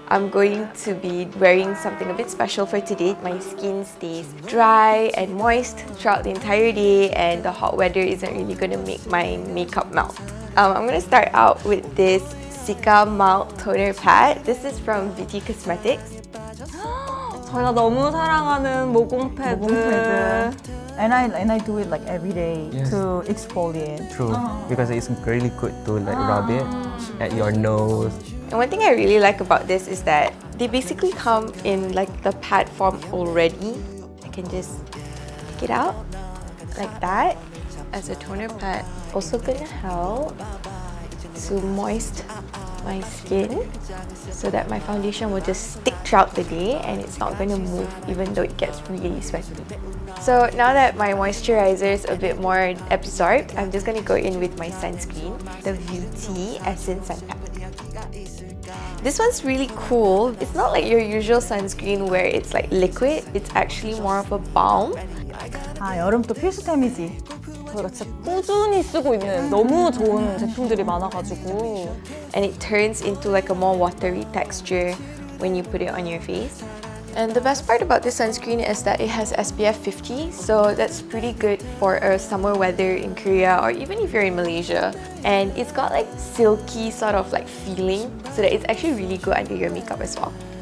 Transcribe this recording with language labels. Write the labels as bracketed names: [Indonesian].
[English] I'm going to be wearing something a bit special for today. My skin stays dry and moist throughout the entire day and the hot weather isn't really going to make my makeup melt. I'm going to start out with this Cica Malt Toner Pad. This is from VT Cosmetics. [Korean] 제가 너무 사랑하는 모공 패드. [English] And I do it like every day, yes. To exfoliate. True, because it's really good to like rub it at your nose. And one thing I really like about this is that they basically come in like the pad form already. I can just take it out like that as a toner pad. Also gonna help to moist my skin so that my foundation will just stick throughout the day and it's not going to move even though it gets really sweaty. So now that my moisturizer is a bit more absorbed, I'm just going to go in with my sunscreen, the Beauty Essence Sun Pack. This one's really cool. It's not like your usual sunscreen where it's like liquid, it's actually more of a balm. [Korean] 아, 여름도 필수템이지. 저희가 진짜 꾸준히 쓰고 있는 너무 좋은 제품들이 많아가지고. [English] And it turns into like a more watery texture when you put it on your face. And the best part about this sunscreen is that it has SPF 50, so that's pretty good for a summer weather in Korea or even if you're in Malaysia. And it's got like silky sort of like feeling, so that it's actually really good under your makeup as well.